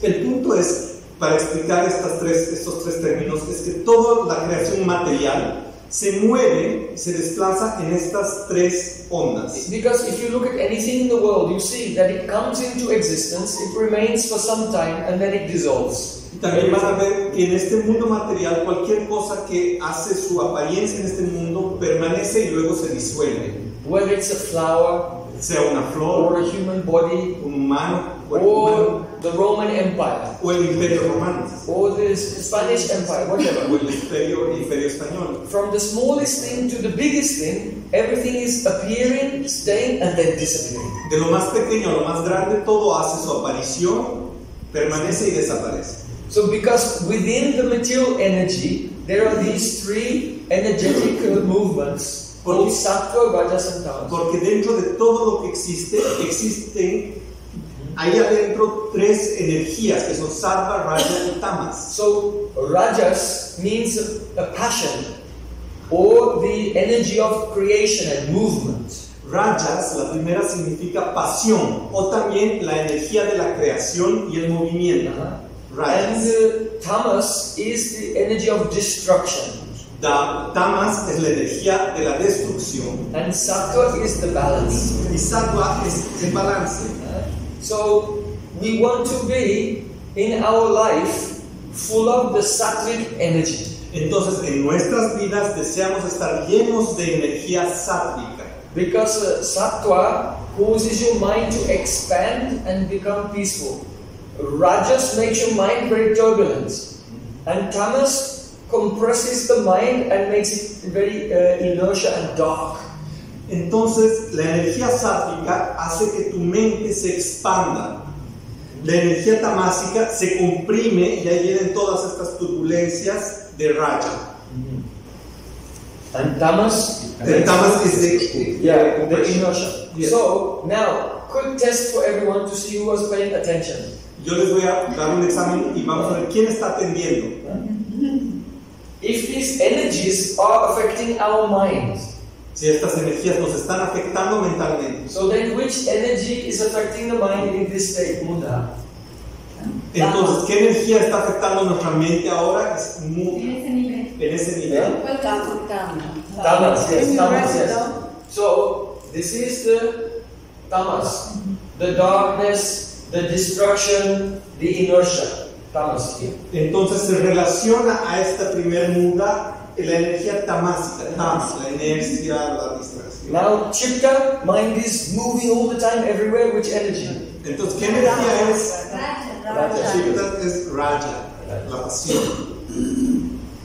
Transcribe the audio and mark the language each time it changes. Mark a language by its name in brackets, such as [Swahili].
[Spanish] El punto es, para explicar estos tres términos, es que toda la creación material se mueve, se desplaza en estas tres ondas. [English] Because if you look at anything in the world, you see that it comes into existence, it remains for some time, and then it dissolves. [Spanish] También van a ver que en este mundo material cualquier cosa que hace su apariencia en este mundo permanece y luego se disuelve. [English] Whether it's a flower, [Spanish] sea una flor, [English] or a human body, [Spanish] un humano, [English] or the Roman Empire, [Spanish] o el Imperio Romano, [English] or the Spanish Empire, whatever. [Spanish] O el Imperio Español. [English] From the smallest thing to the biggest thing, everything is appearing, staying, and then disappearing. [Spanish] De lo más pequeño a lo más grande, todo hace su aparición, permanece y desaparece. [English] So because within the material energy, there are these three energetic movements, called sattva, rajas and tamas. [Spanish] Porque dentro de todo lo que existen ahí adentro tres energías, que son sattva, rajas y tamas. [English] So rajas means a passion, or the energy of creation and movement. [Spanish] Rajas, la primera, significa pasión, o también la energía de la creación y el movimiento. Uh-huh. Rajas. [English] And tamas is the energy of destruction. [Spanish] Tamas es la energía de la destrucción. [English] And sattva is the balance. [Spanish] Y sattva es el balance. [English] So we want to be in our life full of the sattvic energy. [Spanish] Entonces en nuestras vidas deseamos estar llenos de energía sattvica. [English] Because sattva causes your mind to expand and become peaceful. Rajas makes your mind very turbulent, and tamas compresses the mind and makes it very inertia and dark. [Spanish] Entonces, la energía sattvica hace que tu mente se expanda. La energía tamásica se comprime y ahí vienen todas estas turbulencias de raja. [English] And tamas, [Spanish] el tamas is [English] the inertia. Yes. So now, quick test for everyone to see who was paying attention. [Spanish] Yo les voy a dar un examen y vamos a ver quién está atendiendo. [English] If these energies are affecting our minds, [Spanish] si estas energías nos están afectando mentalmente, [English] so then which energy is affecting the mind in this state, Muda? [Spanish] Entonces, ¿qué energía está afectando nuestra mente ahora? En ese nivel. En ese nivel. [English] Tamas, yes, tamas, yes. So, this is the tamas, the darkness, the destruction, the inertia, tamas. [Spanish] Entonces se relaciona a esta primera muda la energía tamásica, tamas, la inercia, la distracción. [English] Now, chitta, mind is moving all the time, everywhere, which energy? [Spanish] Entonces, ¿qué energía es? Raja. Chitta es raja, la pasión.